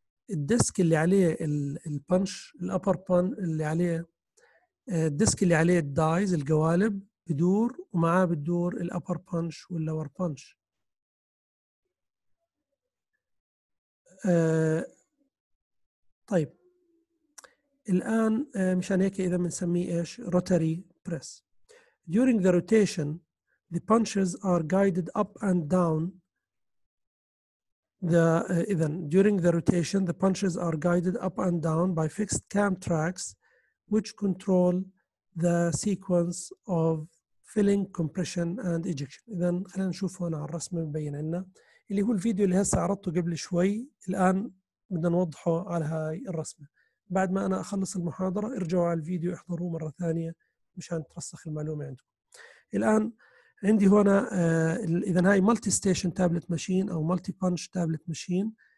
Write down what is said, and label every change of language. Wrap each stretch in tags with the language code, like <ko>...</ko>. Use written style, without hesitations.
<ar>الديسك اللي عليه البنش، الأبر بان اللي عليه الديسك اللي عليه الدايز القوالب، بدور ومعاه بدور الأبر بانش واللور بانش. طيب الآن مشان هيك إذا بنسميه إيش؟ rotary press.</ar> <en>During the rotation, the punches are guided up and down. During the rotation, the punches are guided up and down by fixed cam tracks, which control the sequence of filling, compression, and ejection.</en> <ar>إذن خلينا نشوف هنا على الرسم مبين عنا اللي هو الفيديو اللي هسه عرضته قبل شوي. الآن بدنا نوضحه على هاي الرسمة. بعد ما أنا أخلص المحاضرة ارجعوا على الفيديو احضروه مرة ثانية مشان ترسخ المعلومة عندكم. الآن عندي هنا إذا هاي مالتي ستيشن تابلت ماشين أو مالتي بانش تابلت ماشين.</ar>